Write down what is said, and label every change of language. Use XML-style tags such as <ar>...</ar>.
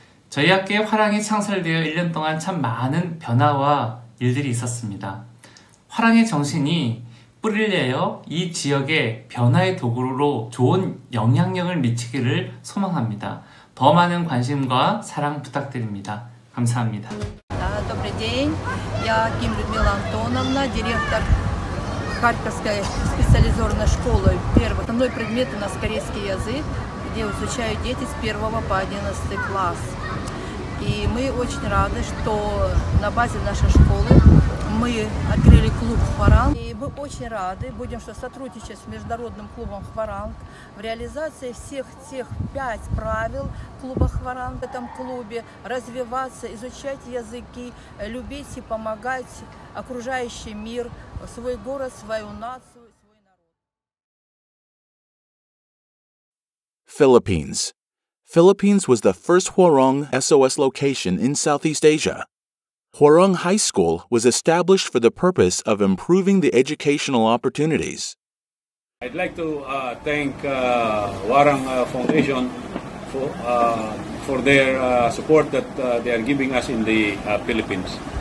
<ko>저희 학교의 화랑이 창설되어 1년 동안 참 많은 변화와 일들이 있었습니다. 화랑의 정신이 뿌리를 내어 이 지역의 변화의 도구로 좋은 영향력을 미치기를 소망합니다. 더 많은 관심과 사랑 부탁드립니다. 감사합니다.</ko> <ru>Добрый день. Я Ким Людмила Антоновна, директор Харьковской специализированной школы. Первый основной предмет у нас корейский язык, где изучают дети с 1 по 11 класс. И мы очень рады, что на базе нашей школы мы открыли клуб «Хваранг». И мы очень рады, будем сотрудничать с международным клубом «Хваранг» в реализации всех тех 5 правил клуба «Хваранг» в этом клубе. Развиваться, изучать языки, любить и помогать окружающий мир, свой город, свою нацию, свой народ.</ru> <en>Philippines. Philippines was the first Hwarang SOS location in Southeast Asia. Hwarang High School was established for the purpose of improving the educational opportunities. I'd like to thank Hwarang Foundation for their support that they are giving us in the Philippines.</en>